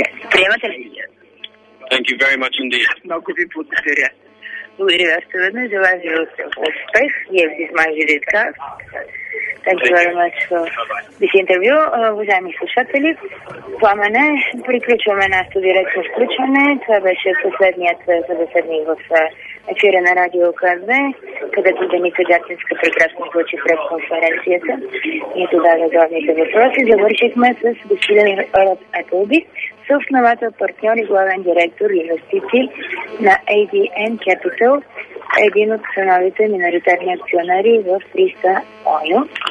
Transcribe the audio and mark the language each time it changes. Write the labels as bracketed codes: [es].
[en] Thank you very much indeed. [bg] Много ви благодаря. Благодаря, аз съвърна, желая ви успех и е в Дизмай Видеткаст. [en] Thank you very much for this interview. [bg] Уважаеми слушатели, Пламене, приключваме нашето директно включване. Това беше последният събеседник в ефира на Радио КВ, където Деница Джатинска прекрасно получи пред конференцията и зададе главните въпроси. Завършихме с господин Ерот Еплби, съосновател, партньор и главен директор инвестиции на ADN Capital, един от новите миноритарни акционери в 300 ОЙО.